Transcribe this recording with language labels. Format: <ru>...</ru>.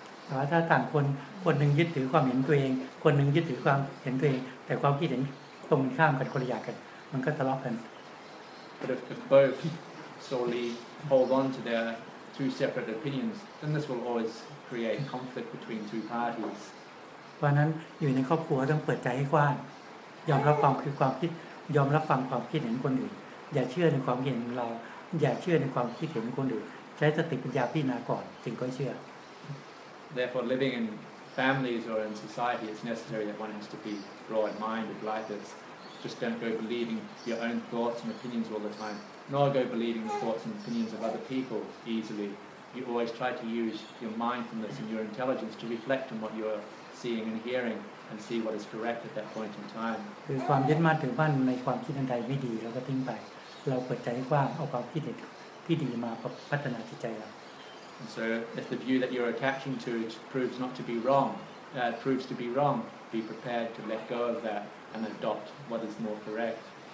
<en>But if two people, one holds to their own opinion, one holds to their own opinion, but their opinion is opposite to each other, then they fight. But if both solely hold on to their two separate opinions, then this will always create conflict between two parties.</en> <th>วันนั้นอยู่ในครอบครัวต้องเปิดใจให้กว้างยอมรับความคิดยอมรับฟังความคิดเห็นคนอื่นอย่าเชื่อในความคิดเห็นของเราอย่าเชื่อในความคิดเห็นคนอื่นใช้สติปัญญาพิจารณาก่อนถึงค่อยเชื่อ</th> <en>Therefore, living in families or in society, it's necessary that one has to be broad-minded like this. Just don't go believing your own thoughts and opinions all the time, nor go believing the thoughts and opinions of other people easily. You always try to use your mindfulness and your intelligence to reflect on what you're seeing and hearing and see what is correct at that point in time.</en> <th>คือความยึดมั่นถือมั่นในความคิดอันใดไม่ดีเราก็ทิ้งไปเราเปิดใจกว้างเอาความคิดที่ดีมาพัฒนาจิตใจเรา</th> <en>And so if the view that you're attaching to it proves not to be wrong, proves to be wrong, be prepared to let go of that and adopt what is more correct.</en>